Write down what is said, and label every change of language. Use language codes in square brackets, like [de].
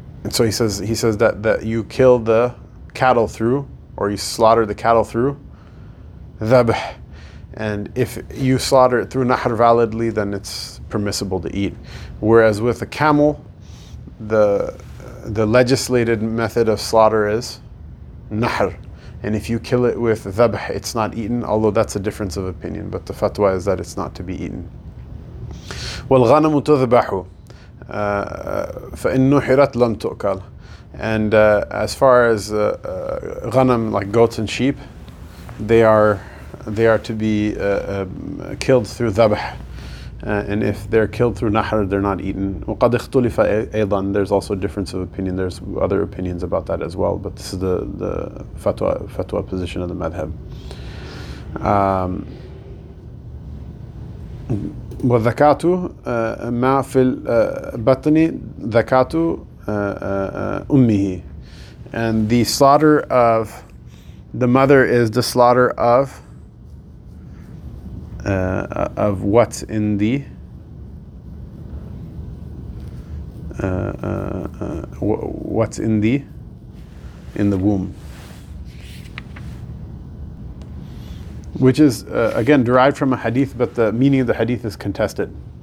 [en] So he says that you kill the cattle through, or you slaughter the cattle through dhabh, and if you slaughter it through nahr validly, then it's permissible to eat. Whereas with a camel, the legislated method of slaughter is nahr. And if you kill it with dhabh, it's not eaten, although that's a difference of opinion. But the fatwa is that it's not to be eaten. [ar] والغنم تذبح فإن نحرت لم تؤكل. [en] And as far as غنم, like goats and sheep, they are to be killed through ذبح, and if they're killed through نحر, they're not eaten. [ar] وقد اختلف أيضا. [en] There's also a difference of opinion. There's other opinions about that as well, but this is the fatwa position of the madhab. [ar] وذكاته ما في بطن ذكاته أمه. [en] And the slaughter of the mother is the slaughter of what's in the what's in the womb, which is again derived from a hadith, but the meaning of the hadith is contested.